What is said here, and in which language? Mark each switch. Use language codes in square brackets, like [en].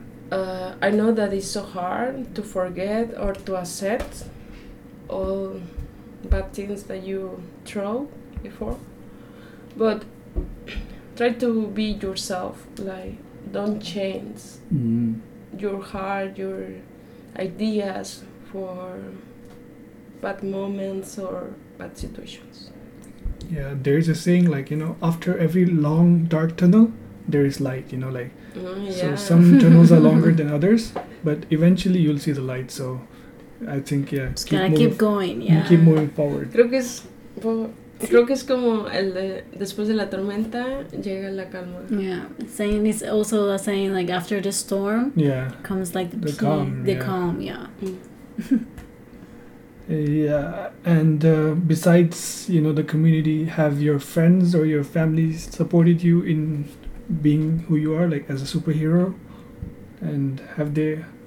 [en] I know that it's so hard to forget or to accept all bad things that you throw before, but try to be yourself, like, don't change your heart, your ideas for bad moments or bad situations. Yeah, there is a saying, like, you know, after every long dark tunnel there is light, you know, like, so some tunnels are longer than others, but eventually you'll see the light. So I think, yeah, just keep going, keep moving forward. [es] Creo que es como el de después de la tormenta llega la calma. [en] Yeah, saying is also a saying, like, after the storm, comes like the calm. Yeah. Yeah, and besides, you know, the community, have your friends or your family supported you in being who you are, like, as a superhero, and have they?